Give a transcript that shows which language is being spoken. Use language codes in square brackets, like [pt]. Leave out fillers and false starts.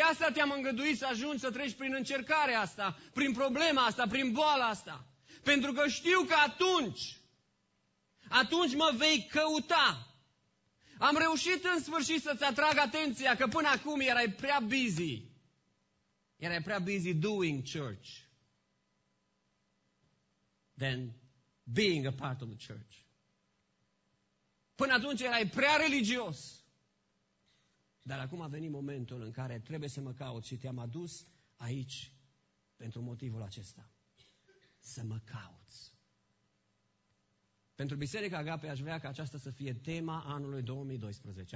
[ro] De asta te-am îngăduit să ajungi să treci prin încercarea asta, prin problema asta, prin boala asta. Pentru că știu că atunci mă vei căuta. Am reușit în sfârșit să-ți atrag atenția, că până acum erai prea busy. Erai prea [en] busy doing church. Then being a part of the church. [ro] Până atunci erai prea religios. Dar acum a venit momentul în care trebuie să mă caut și te-am adus aici pentru motivul acesta. Să mă cauți. Pentru Biserica Agape aș vrea ca aceasta să fie tema anului 2012.